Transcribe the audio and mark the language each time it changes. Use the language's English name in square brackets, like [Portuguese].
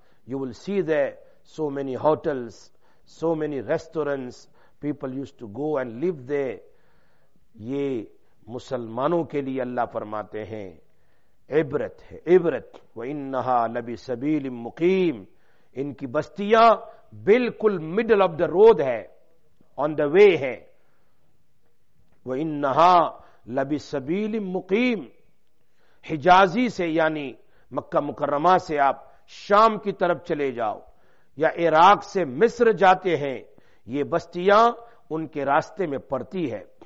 [English] You will see there so many hotels, so many restaurants, people use to go and live there. [Urdu] یہ مسلمانوں کے لیے اللہ فرماتے ہیں عبرت ہے, عبرت. [Arabic] وانہا لبی سبیل مقیم, [Urdu] ان کی بستیاں بالکل [English] middle of the road [Urdu] ہے, [English] on the way [Urdu] ہے. [Arabic] وانہا لبی سبیل مقیم, [Urdu] حجازی سے یعنی مکہ مکرمہ سے آپ شام کی طرف چلے جاؤ یا عراق سے مصر جاتے ہیں, یہ بستیاں ان کے راستے میں پڑتی ہے.